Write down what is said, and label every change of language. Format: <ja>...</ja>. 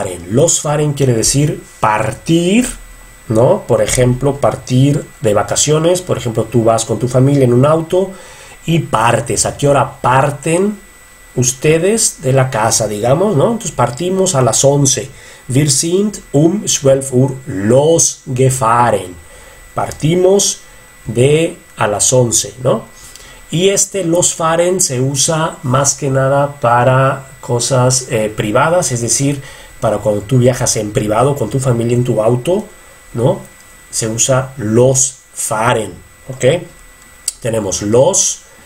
<es>Losfahren quiere decir partir, ¿no? Por ejemplo, partir de vacaciones, por ejemplo, tú vas con tu familia en un auto. Y partes, ¿a qué hora parten ustedes de la casa, digamos, ¿no? Entonces partimos a las 11.</es> <de>Wir sind 12 Uhr losgefahren.</de> <es>Partimos a las 11, ¿no? Y losfahren se usa más que nada para cosas privadas, es decir, para cuando tú viajas en privado con tu familia en tu auto, ¿no? Se usa losfahren, ¿ok? Tenemos los.</es>